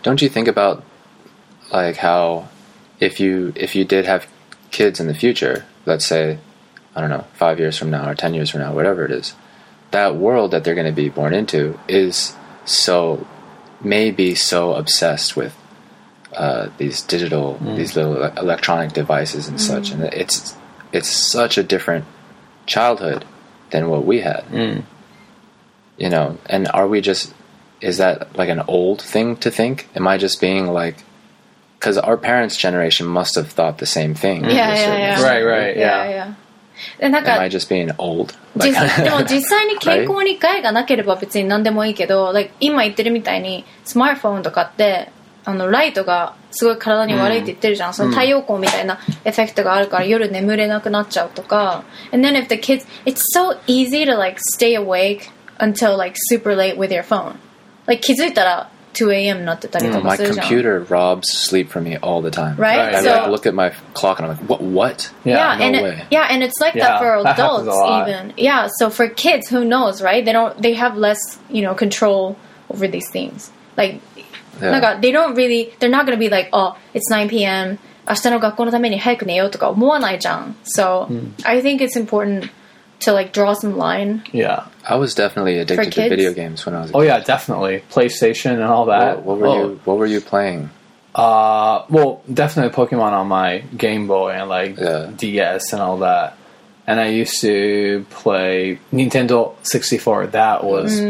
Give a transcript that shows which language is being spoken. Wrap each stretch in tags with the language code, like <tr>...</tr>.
<en>Don't you think about like how if you did have kids in the future, let's say, I don't know, 5 years from now or 10 years from now, whatever it is, that world that they're going to be born into is so maybe so obsessed with these digital these little electronic devices and such, and it's such a different childhood than what we had. You know, and are we just, is that like an old thing to think? Am I just being like, because our parents' generation must have thought the same thing. Yeah. Right, right. Yeah.</en> <ja>でなんか</ja> <en>Am I just being old?</en> <ja>でも実際に健康に害がなければ別に何でもいいけど、</ja> <en>right? like,</en> <ja>今言ってるみたいにスマートフォンとかってあのライトがすごい体に悪いって言ってるじゃん、mm. その太陽光みたいなエフェクトがあるから夜眠れなくなっちゃうとか</ja> <en>And then if the kids It's so easy to like stay awake until like super late with your phone Like</en> <ja>気づいたら</ja> <en>2 a.m.</en> <ja>になってたりとかするじゃん、</ja> <en>mm, My computer robs sleep from me all the time Right? I so, like, look at my clock and I'm like What? Yeah, no and, way. Yeah and it's like that yeah, for adults that even Yeah so for kids who knows right They have less you know control over these things Like Yeah.</en> <ja>なんか</ja> <en>they don't really they're not gonna be like oh it's 9 p.m.</en> <ja>明日の学校のために早く寝ようとか思わないじゃん</ja> <en>so、</en> <ja>mm.</ja> <en>I think it's important to like draw some line yeah I was definitely addicted to video games when I was oh yeah definitely PlayStation and all that what were you playing well definitely Pokemon on my Game Boy and like、yeah. DS and all that and I used to play Nintendo 64 that was、mm.</en>